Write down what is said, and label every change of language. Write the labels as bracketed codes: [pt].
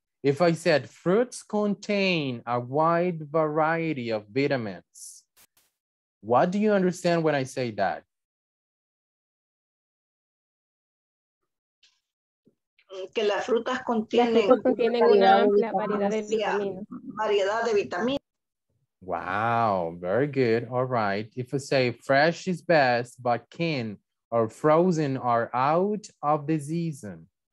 [en] If I said fruits contain a wide variety of vitamins, what do you understand when I say that? [es] Que las frutas contienen una amplia variedad de vitaminas. [en] Wow, very good. All right. If I say fresh is best, but canned or frozen are out of the season.